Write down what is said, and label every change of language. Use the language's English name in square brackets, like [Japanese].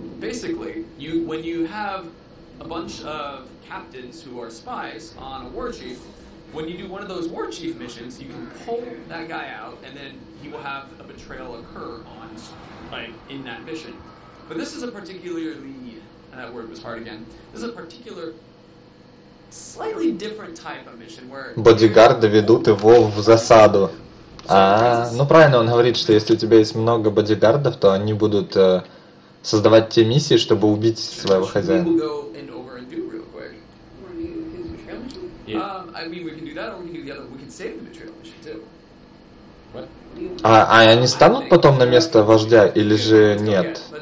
[English] Basically, you when you have a bunch of captains who are spies on a war chief, when you do one of those war chief missions, you can pull that guy out, and then he will have a betrayal occur on, like, in that mission. But this is a particularly, that word was hard again, this is a particular, slightly different type of mission where... [Russian] Бодигарды ведут его в засаду. Ну правильно, он говорит, что если у тебя есть много бодигардов, то они будут создавать те миссии, чтобы убить своего хозяина. [English] We'll go in over and do real quick. Want to do his betrayal mission? Yeah. I mean, we can do that, or we can do the other, we can save the betrayal mission too. [Russian] А они станут потом на место вождя, или же нет?